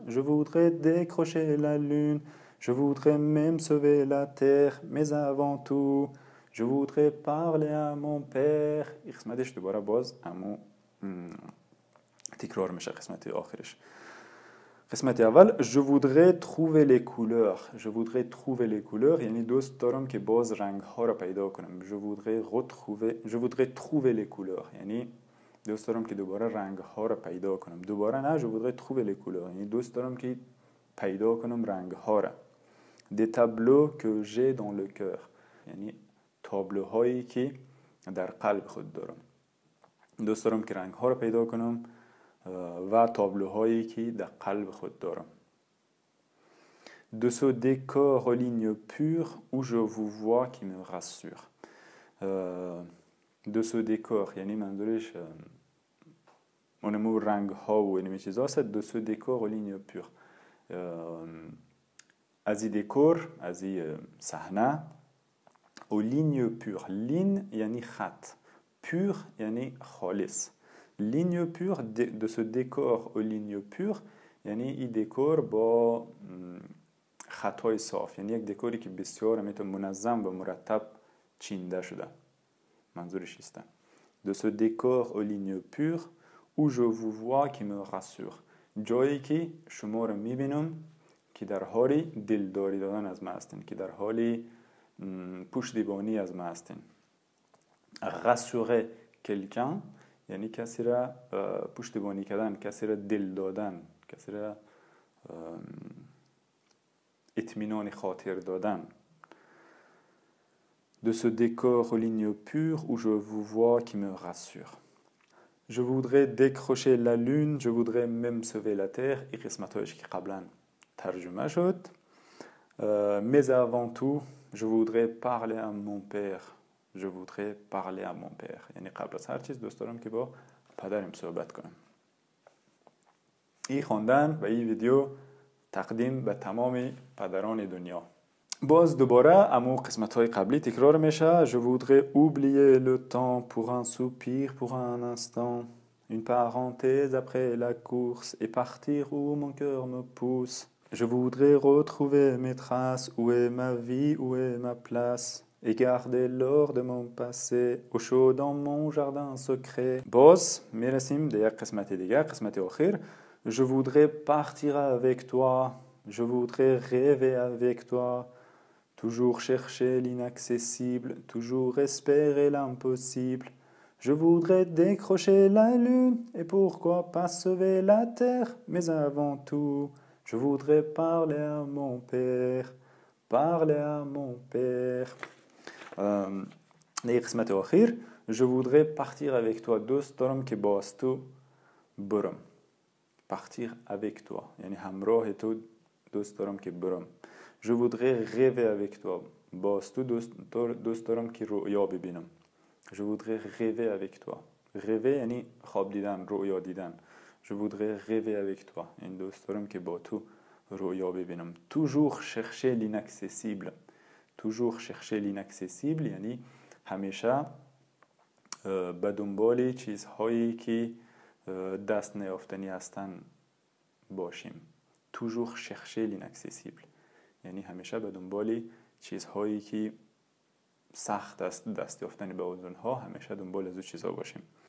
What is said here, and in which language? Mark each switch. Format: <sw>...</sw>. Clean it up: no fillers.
<fr>Je voudrais décrocher la lune, je voudrais même sauver la terre, mais avant tout, je voudrais parler à mon père. Je voudrais parler à mon père.</fr> <fa>قسمت اول</fa> <fr>je voudrais trouver les couleurs. Je voudrais trouver les couleurs</fr> <fa>یعنی دوست دارم که باز رنگ ها را پیدا کنم.</fa> <fr>Je voudrais retrouver, je voudrais trouver les couleurs</fr> <fa>یعنی دوست دارم که دوباره رنگ ها را پیدا کنم. دوباره نه,</fa> <fr>je voudrais trouver les couleurs</fr> <fa>یعنی دوست دارم که پیدا کنم رنگ ها را.</fa> <fr>Des tableaux que j'ai dans le cœur</fr> <fa>یعنی تابلوهایی که در قلب خود دارم. دوست دارم که رنگ ها را پیدا کنم و تابلوهایی که در قلب خود دارم.</fa> <fr>De ce décor aux lignes pures où je vous vois qui me rassure. De ce décor</fr> <fa>یعنی منظورش اونمو رنگ ها و اینمی چیز هست.</fa> <fr>De ce décor aux lignes pures</fr> <fa>از این دکور از این صحنه.</fa> <fr>Aux lignes pures.</fr> <fa>Ligne یعنی خط. Pur یعنی خالص.</fa> <fr>Ligne pure de ce décor aux lignes pures</fr> <fa>یعنی این دکور با خطای صاف. یعنی یک دکوری که بسیار منظم و مرتب چینده شده. منظورش است.</fa> <fr>De ce décor aux lignes pures où je vous vois qui me rassure.</fr> <fa>جایی که شما رو میبینم که در حالی دلداری دادن از من هستین. که در حالی پشتیبانی از من هستین.</fa> <fr>Rassurer quelqu'un</fr> <fa>یعنی کسی را پشتیبانی کردن, کسی را دل دادن, کسی را اطمینان خاطر دادن.</fa> <fr>De ce décor aux lignes pures où je vous vois qui me rassure. Je voudrais décrocher la lune, je voudrais même sauver la terre.</fr> <fa>این قسمتش که قبلا ترجمه شد.</fa> <fr>Mais avant tout, je voudrais parler à mon père. Je voudrais parler à mon père.</fr> <fa>یعنی قبل از هر چیز دوست دارم که با پدرم صحبت کنم. این خواندن و این ویدیو تقدیم به تمام پدران دنیا. باز دوباره امو قسمت های قبلی تکرار میشه.</fa> <fr>Je voudrais oublier le temps pour un soupir, pour un instant. Une parenthèse après la course et partir où mon cœur me pousse. Je voudrais retrouver mes traces, où est ma vie, où est ma place. Et garder l'or de mon passé au chaud dans mon jardin secret.</fr> <fa>Boss, merasim de yak qismati digar, qismati akhir.</fa> <fr>Je voudrais partir avec toi. Je voudrais rêver avec toi. Toujours chercher l'inaccessible. Toujours espérer l'impossible. Je voudrais décrocher la lune. Et pourquoi pas sauver la terre. Mais avant tout, je voudrais parler à mon père. Parler à mon père.</fr> <fa>نیه قسمت آخیر</fa> <fr>Je voudrais partir avec toi.</fr> <fa>دوست دارم که باز تو برم.</fa> <fr>Partir avec toi</fr> <fa>یعنی همراه تو دوست دارم که برم.</fa> <fr>Je voudrais rêver avec toi.</fr> <fa>باز تو دوست دارم که رؤیا ببینم.</fa> <fr>Je voudrais rêver avec toi.</fr> <fa>Rêver یعنی خواب دیدن, رؤیا دیدن.</fa> <fr>Je voudrais rêver avec toi</fr> <fa>یعنی دوست دارم که با تو رؤیا ببینم.</fa> <fr>Toujours chercher l'inaccessible. Toujours chercher l'inaccessible,</fr> <fa>یعنی همیشه به دنبال چیزهایی که دست نیافتنی هستن باشیم.</fa> <fr>Toujours chercher l'inaccessible,</fr> <fa>یعنی همیشه به دنبال چیزهایی که سخت است دست یافتنی به اونها, همیشه دنبال از اون چیزها باشیم.</fa>